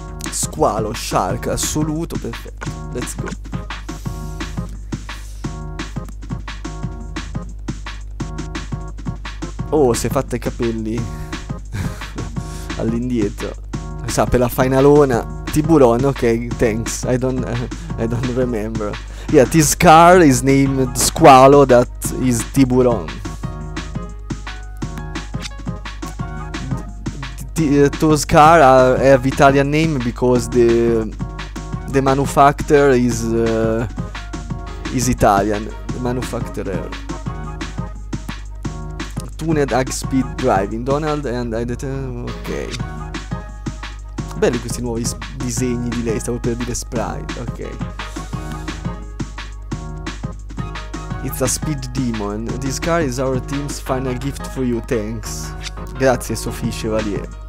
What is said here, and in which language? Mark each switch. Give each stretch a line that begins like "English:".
Italian: Squalo, shark, assoluto, perfetto,
English: let's go.
Italian: Oh, si è fatta i capelli all'indietro, sa, per la finalona.
English: Tiburon, ok, thanks. I don't remember. Yeah, this car is named Squalo, that is Tiburon. those cars have Italian name because the manufacturer is Italian. The manufacturer. Tuned high speed driving, Donald and I ok.
Italian: Belli questi nuovi disegni di lei, stavo per dire sprite, ok.
English: It's a speed demon. This car is our team's final gift for you, thanks.
Italian: Grazie Sophie Chevalier.